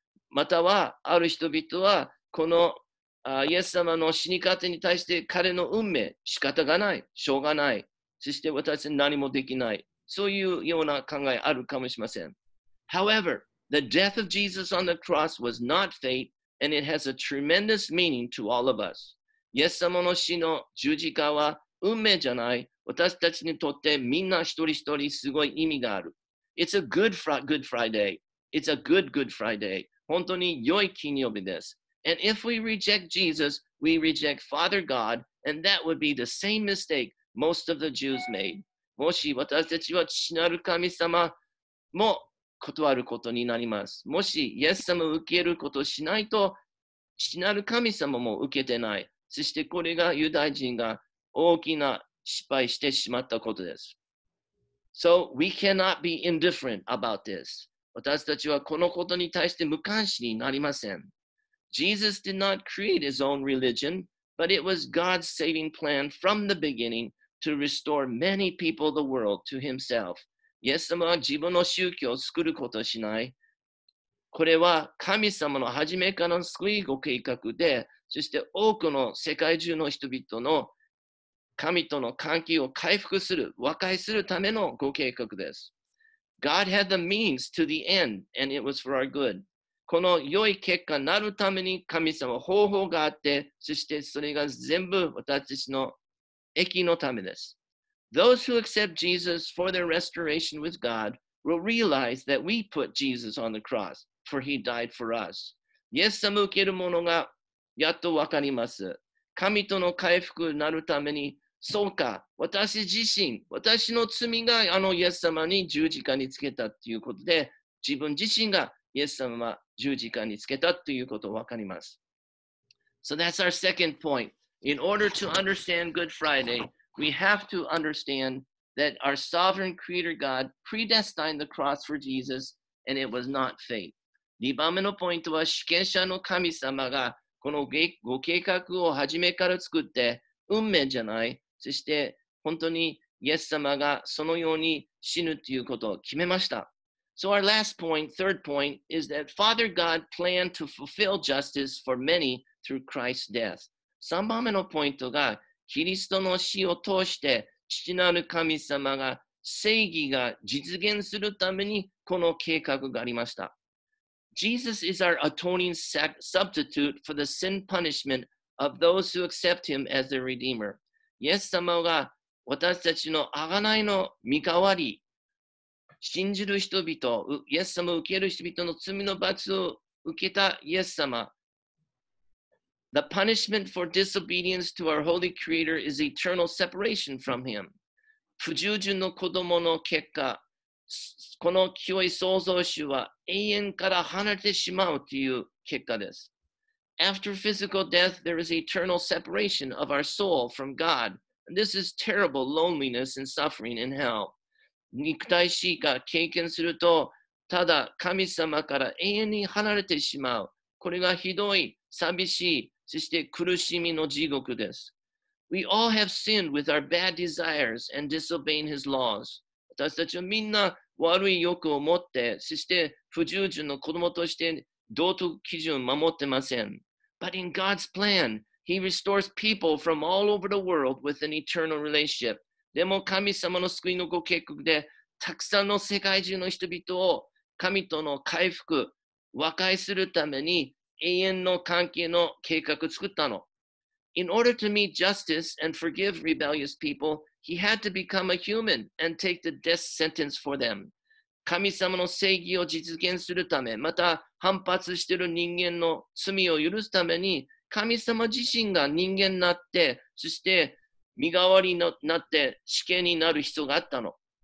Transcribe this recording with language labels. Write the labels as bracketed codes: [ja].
[ja] または、ある人々はこのイエス様の死に方に対して彼の運命、仕方がない、しょうがない。そして私たち何もできない。そういうような考えあるかもしれません。 [en] However, the death of Jesus on the cross was not fate, and it has a tremendous meaning to all of us. [ja] イエス様の死の十字架は運命じゃない。私たちにとってみんな一人一人すごい意味がある。 [en] It's a good Friday. It's a good Friday. [ja] 本当に良い金曜日です。 [en] And if we reject Jesus, we reject Father God, and that would be the same mistake most of the Jews made. [ja] もし私たちは父なる神様も断ることになります。もしイエス様を受けることをしないと、父なる神様も受けてない。そしてこれがユダヤ人が大きな失敗してしまったことです。 [en] So we cannot be indifferent about this. [ja] 私たちはこのことに対して無関心になりません。 [en] Jesus did not create his own religion, but it was God's saving plan from the beginning to restore many people the world to himself. [ja] イエス様は自分の宗教を作ることをしない。これは神様の初めからの救いご計画で、そして多くの世界中の人々の神との関係を回復する、和解するためのご計画です。 [en] God had the means to the end, and it was for our good. [ja] この良い結果になるために神様は方法があって、そしてそれが全部私たちの益のためです。 [en] Those who accept Jesus for their restoration with God will realize that we put Jesus on the cross, for he died for us. [ja] イエス様を受ける者がやっとわかります。神との回復になるために、そうか、私自身、私の罪がイエス様に十字架につけたということで、自分自身がイエス様は十字架につけたということをわかります。 [en] So that's our second point. In order to understand Good Friday,We have to understand that our sovereign creator God predestined the cross for Jesus, and it was not fate. [ja] 二番目のポイントは、主権者の神様がこのご計画を初めから作って、運命じゃない、そして本当にイエス様がそのように死ぬということを決めました。 [en] So our last point, third point, is that Father God planned to fulfill justice for many through Christ's death. [ja] 三番目のポイントが、キリストの死を通して父なる神様が正義が実現するためにこの計画がありました。 [en] Jesus is our atoning substitute for the sin punishment of those who accept him as their redeemer. [ja] イエス様が私たちの贖いの見代わり、信じる人々、イエス様を受ける人々の罪の罰を受けたイエス様、 [en] The punishment for disobedience to our holy creator is eternal separation from him. [ja] 不従順の子供の結果、この清い創造主は永遠から離れてしまうという結果です。 [en] After physical death, there is eternal separation of our soul from God. This is terrible loneliness and suffering in hell. [ja] 肉体死が経験すると、ただ神様から永遠に離れてしまう。これがひどい、寂しい、そして苦しみの地獄です。 [en] We all have sinned with our bad desires and disobeying his laws. [ja] 私たちはみんな悪い欲を持って、そして不従順の子供として道徳基準を守ってません。 [en] But in God's plan, he restores people from all over the world with an eternal relationship. [ja] でも神様の救いのご計画で、たくさんの世界中の人々を神との回復、和解するために、永遠の関係の計画を作ったの。 [en] In order to meet justice and forgive rebellious people, he had to become a human and take the death sentence for them. [ja] 神様の正義を実現するため、また反発している人間の罪を許すために、神様自身が人間になって、そして身代わりになって死刑になる必要があったの。